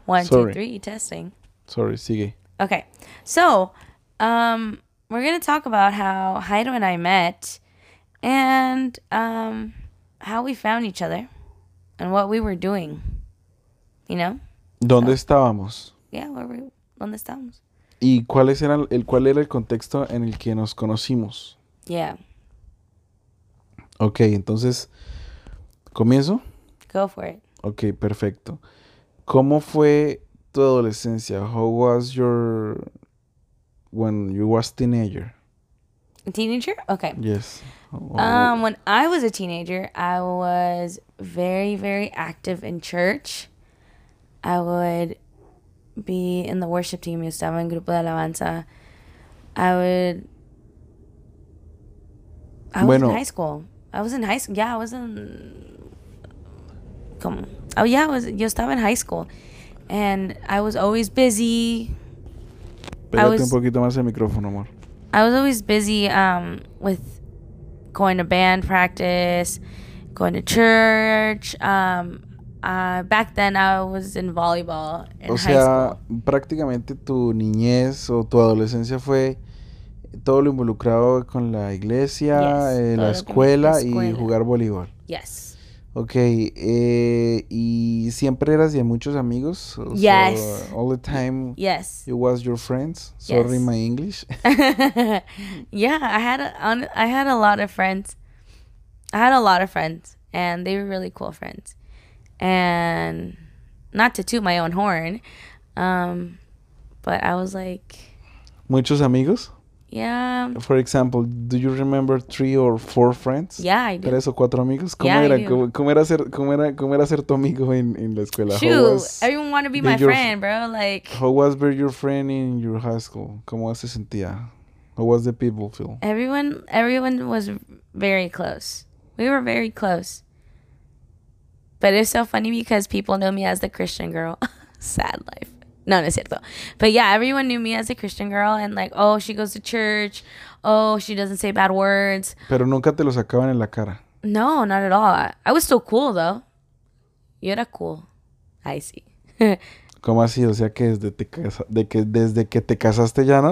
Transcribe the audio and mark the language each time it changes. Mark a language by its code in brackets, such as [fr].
[en] One, sorry. Two, three, testing. [es] Sorry, sigue. [en] Okay, so we're going to talk about how Heido and I met and how we found each other and what we were doing, you know? [es] ¿Dónde estábamos? [en] Yeah, where were we? [es] ¿Dónde estábamos? ¿Y cuál era el contexto en el que nos conocimos? [en] Yeah. [es] Okay, entonces... ¿Comienzo? [en] Go for it. [es] Ok, perfecto. ¿Cómo fue tu adolescencia? [en] How was your... When you was teenager? Teenager? Okay. Yes. When I was a teenager, I was very, very active in church. I would be in the worship team. [es] Yo estaba en grupo de alabanza. [en] I was in high school. Yeah, I was in... Oh yeah, [es] yo estaba en [en] high school. And I was always busy. [es] Pégate un poquito más el micrófono, amor. [en] I was always busy with going to band practice, going to church. Back then I was in volleyball in high school. [es] O sea, prácticamente tu niñez o tu adolescencia fue todo lo involucrado con la iglesia, la escuela y jugar voleibol. [en] Yes. [es] Ok, ¿y siempre eras de muchos amigos? [en] O yes. So, all the time. Yes. You was your friends. Sorry, yes. My English. Yeah, I had a lot of friends, and they were really cool friends. And not to toot my own horn, but I was like... [es] ¿Muchos amigos? [en] Yeah. For example, do you remember 3 or 4 friends? Yeah, I do. [es] ¿Tres o cuatro amigos? ¿Cómo era ser tu amigo en la escuela? [en] Everyone wanted to be my friend, bro. Like, how was being your friend in your high school? [es] ¿Cómo se sentía? [en] How was the people feel? Everyone was very close. We were very close. But it's so funny because people know me as the Christian girl. Sad life. [es] No, no es cierto. [en] But yeah, everyone knew me as a Christian girl and like, oh, she goes to church. Oh, she doesn't say bad words. [es] Pero nunca te lo sacaban en la cara. [en] No, not at all. I was still cool though. [es] Yo era cool. [en] I see. [es] ¿Cómo así? O sea que desde que te casaste ya, ¿no?